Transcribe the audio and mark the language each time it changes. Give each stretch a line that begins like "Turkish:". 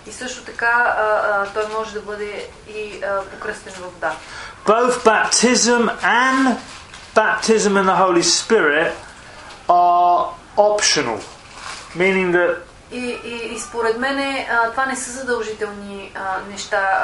Bulgarian: И също така той може да бъде и покръстен във вода.
English: Both baptism and baptism in the Holy Spirit are optional, meaning that.
Bulgarian: И според мене това не са задължителни неща.